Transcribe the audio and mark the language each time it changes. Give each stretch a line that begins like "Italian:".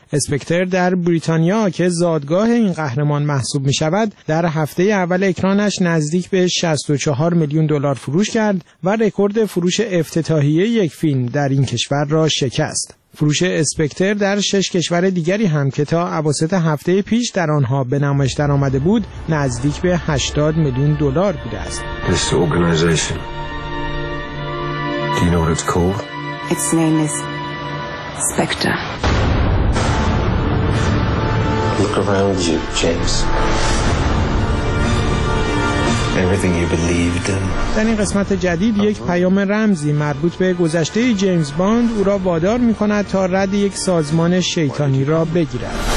Persian: اسپکتر در بریتانیا که زادگاه این قهرمان محسوب می‌شود، در هفته اول اکرانش نزدیک به 64 میلیون دلار فروش کرد و رکورد فروش افتتاحیه یک فیلم در این کشور را شکست. فروش اسپکتر در 6 کشور دیگری هم که تا اواسط هفته پیش در آنها به نمایش درآمده بود، نزدیک به 80 میلیون دلار بوده است.
English: This organization. Do you know what it's called? Its name is Spectre. Look around you, James. Everything you believed in.
Persian: در این قسمت جدید یک پیام رمزی مربوط به گذشته جیمز باند او را وادار می‌کند تا رد یک سازمان شیطانی را بگیرد.